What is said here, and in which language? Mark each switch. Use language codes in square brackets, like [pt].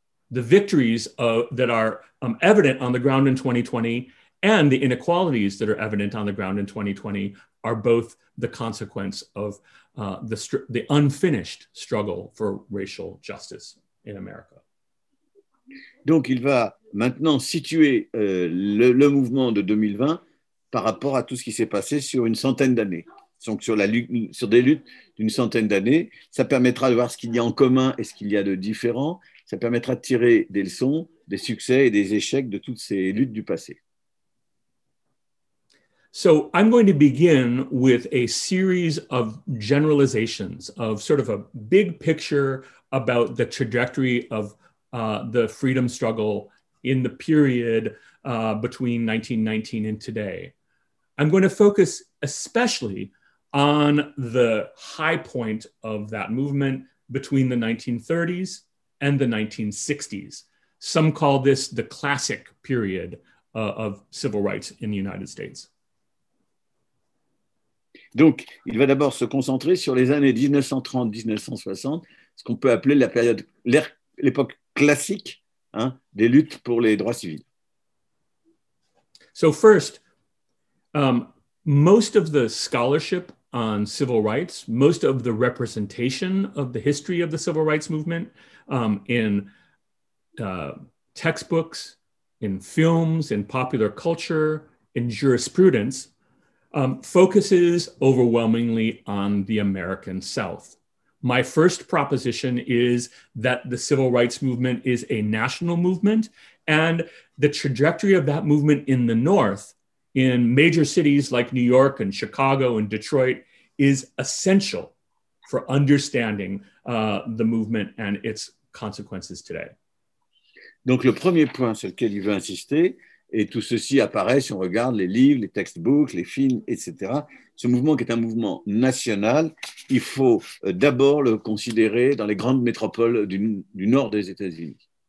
[en] The victories that are evident on the ground in 2020 and the inequalities that are evident on the ground in 2020 are both the consequence of the unfinished struggle for racial justice in America. [fr] Donc, il va maintenant situer le mouvement de 2020 par rapport à tout ce qui s'est passé sur une centaine d'années. Donc, sur des luttes d'une centaine d'années, ça permettra de voir ce qu'il y a en commun et ce qu'il y a de différent. Ça permettra de tirer des leçons, des succès et des échecs de toutes ces luttes du passé. [en] So I'm going to begin with a series of generalizations of sort of a big picture about the trajectory of the freedom struggle in the period between 1919 and today. I'm going to focus especially on the high point of that movement between the 1930s and the 1960s. Some call this the classic period of civil rights in the United States. [fr] Donc, il va d'abord se concentrer sur les années 1930-1960, ce qu'on peut appeler la période, l'époque classique, hein, des luttes pour les droits civils. [en] So first, most of the scholarship on civil rights, most of the representation of the history of the civil rights movement in textbooks, in films, in popular culture, in jurisprudence, focuses overwhelmingly on the American South. My first proposition is that the civil rights movement is a national movement, and the trajectory of that movement in the North, in major cities like New York and Chicago and Detroit, is essential for understanding the movement and its consequences today. [fr] Donc le premier point sur lequel il veut insister, et tout ceci apparaît si on regarde les livres, les textbooks, les films, etc. Ce mouvement qui est un mouvement national, il faut d'abord le considérer dans les grandes métropoles du nord des États-Unis.